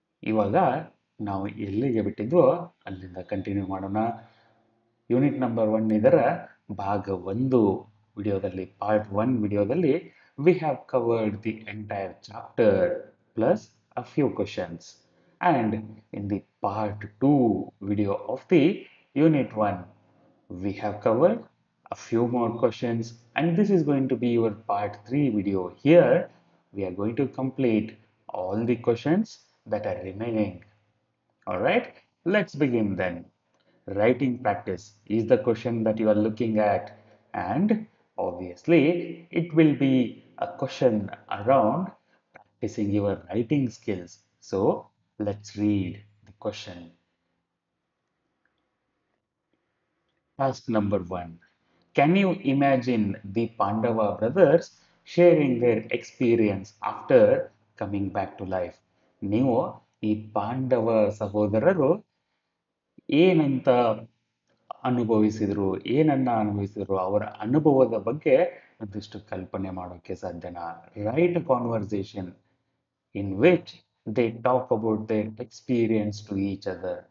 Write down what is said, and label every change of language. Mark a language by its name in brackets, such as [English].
[Kannada] ಇವಾಗ ನಾವು ಎಲ್ಲಿಗೆ ಬಿಟ್ಟಿದ್ವೋ ಅಲ್ಲಿಂದ ಕಂಟಿನ್ಯೂ ಮಾಡೋಣ. ಯೂನಿಟ್ ನಂಬರ್ 1 ಇದರ ಭಾಗ 1 ವಿಡಿಯೋದಲ್ಲಿ, [English] Part 1 ವಿಡಿಯೋದಲ್ಲಿ we have covered the entire chapter plus a few questions. And in the part 2 video of the unit 1 we have covered a few more questions, and this is going to be your part 3 video. Here we are going to complete all the questions that are remaining. All right, let's begin then. Writing practice is the question that you are looking at, and obviously it will be a question around practicing your writing skills. So let's read the question. Task number 1. Can you imagine the Pandava brothers sharing their experience after coming back to life? [Kannada] ನೀವು ಈ ಪಾಂಡವ ಸಹೋದರರು ಏನಂತ ಅನುಭವಿಸಿದರು, ಏನನ್ನ ಅನುಭವಿಸಿದರು, ಅವರ ಅನುಭವದ ಬಗ್ಗೆ ಒಂದಿಷ್ಟು ಕಲ್ಪನೆ ಮಾಡೋಕ್ಕೆ ಸಾಧ್ಯನಾ? [English] Right conversation in which they talk about their experience to each other.